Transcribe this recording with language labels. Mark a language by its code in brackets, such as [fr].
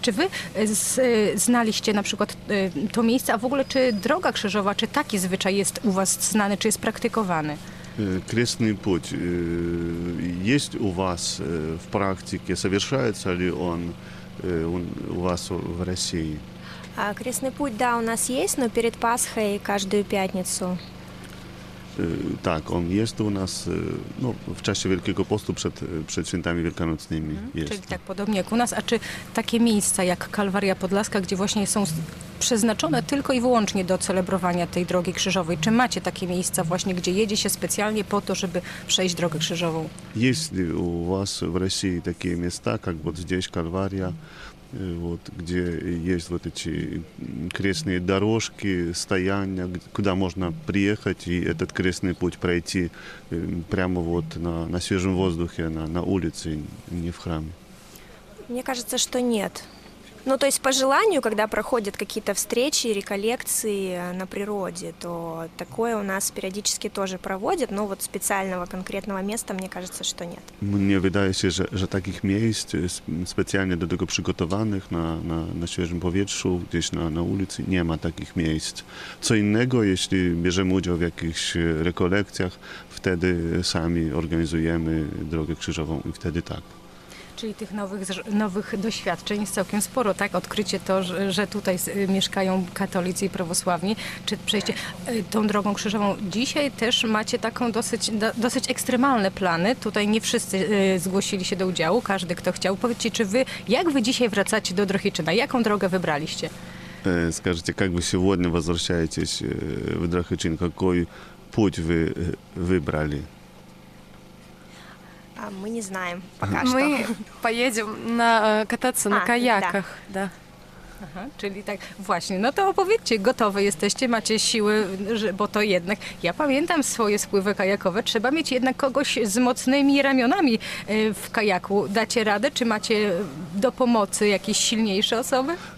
[pl] Czy wy znaliście na przykład to miejsce, a w ogóle czy Droga Krzyżowa, czy taki zwyczaj jest u was znany, czy jest praktykowany? [ru] Крестный путь. Есть у вас в практике, совершается ли он у вас в России? Крестный путь, да, у нас есть, но перед Пасхой каждую пятницу. Так, он есть у нас, ну, в чаще Великого Посту перед Świętami Великанутными есть. [pl] Czyli [ru] так подобно, как у нас. А чи такие места, как Калвария Подласка, где [pl] właśnie są przeznaczone tylko i wyłącznie do celebrowania tej Drogi Krzyżowej. Czy macie takie miejsca właśnie, gdzie jedzie się specjalnie po to, żeby przejść Drogę Krzyżową? Jest u was w Rosji takie miejsca, jak [ru] вот здесь Kalwaria, вот, gdzie jest вот эти крестные дорожки, стояния, куда можно приехать и этот крестный путь пройти прямо вот на свежем воздухе, на улице, не в храме? Мне кажется, что нет. Ну, то есть по желанию, когда проходят какие-то встречи, реколлекции на природе, то такое у нас периодически тоже проводят, но вот специального конкретного места, мне кажется, что нет. Мне видается, что таких мест, специально для того приготовленных на свежем поветшу, где-то на улице, нет таких мест. Что иного, если берем участие в каких-то реколлекциях, тогда сами организуем Дорогу Крыжовую, и тогда так. [pl] Czyli tych nowych doświadczeń jest całkiem sporo, tak? Odkrycie to, że tutaj mieszkają katolicy i prawosławni. Czy przejście tą Drogą Krzyżową? Dzisiaj też macie taką dosyć ekstremalne plany. Tutaj nie wszyscy zgłosili się do udziału, każdy kto chciał. Powiedzcie, czy wy, jak wy dzisiaj wracacie do Drohiczyna? Jaką drogę wybraliście? [ru] Скажите, [pl] jak wy się [ru] сегодня возвращаетесь в Drohiczyn? Какой путь вы выбрали? Мы не знаем пока мы что. Мы поедем кататься на каяках. Да. [pl] Aha, czyli tak, właśnie, no to opowiedzcie, gotowe jesteście, macie siły, bo to jednak, ja pamiętam swoje spływy kajakowe, trzeba mieć jednak kogoś z mocnymi ramionami w kajaku. Dacie radę, czy macie do pomocy jakieś silniejsze osoby?